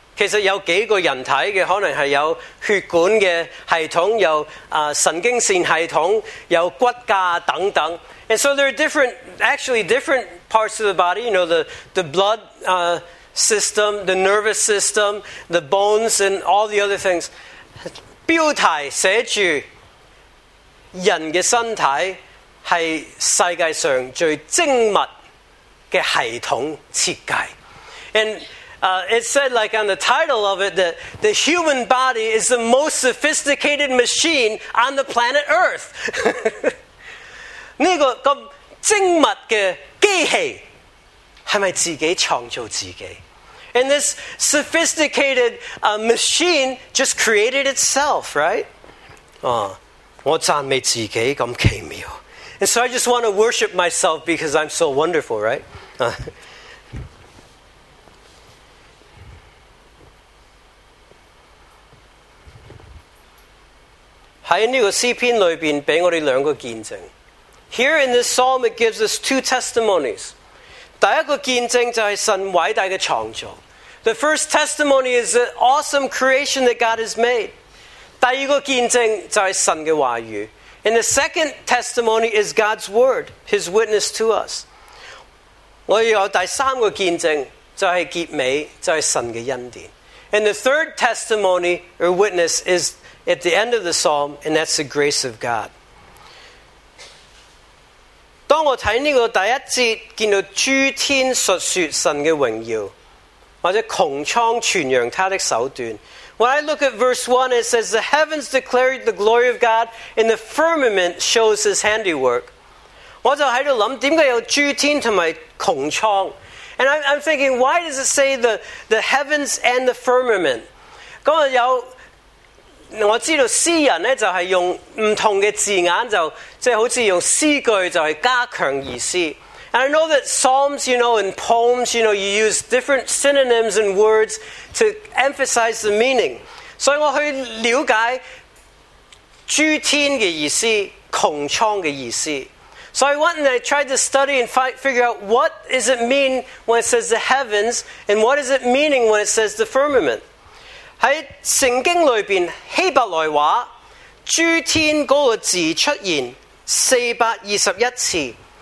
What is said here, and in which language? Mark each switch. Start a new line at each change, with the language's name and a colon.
Chinese: 其实有几个人体的，可能是有血管的系统，有神经线系统，有骨架等等。
English: And so there are different, actually different parts of the body, you know, the blood system, the nervous system, the bones, and all the other things.
Chinese: 标题写着人的身体是世界上最精密的系统设计。
English: And it said like on the title of it that the human body is the most sophisticated machine on the planet Earth.
Chinese: 这个这么精密的机器是不是自己创造自己？
English: And this sophisticated machine just created itself, right?
Chinese: 我赞美自己这么奇妙。
English: And so I just want to worship myself because I'm so wonderful, right? Here in this psalm, it gives us two testimonies.
Chinese: 第一个见证就是神伟大的创造。
English: The first testimony is the awesome creation that God has made.
Chinese: 第二个见证就是神的话语。
English: And the second testimony is God's word, His witness to us.
Chinese: 我有第三个见证就是结尾就是神的恩典。
English: And the third testimony or witness is at the end of the psalm, and that's the grace of God.
Chinese: 当我看这个第一节，见到诸天述说神的荣耀，或者穹苍传扬他的手段。
English: When I look at verse 1, it says, The heavens declare the glory of God, and the firmament shows His handiwork.
Chinese: 我就在想，为什么有诸天和穹苍？
English: And I'm thinking, why does it say the heavens and the firmament?
Chinese: 有我知道诗人呢就是用不同的字眼，就好像用诗句就是加强意思。
English: And I know that psalms, you know, and poems, you know, you use different synonyms and words to emphasize the meaning.
Chinese: 所以我去了解诸天的意思，穹苍的意思。
English: So I went and I tried to study and figure out what does it mean when it says the heavens and what is it meaning when it says the firmament.
Chinese: 在圣经里面，希伯来话，诸天那个字出现421次。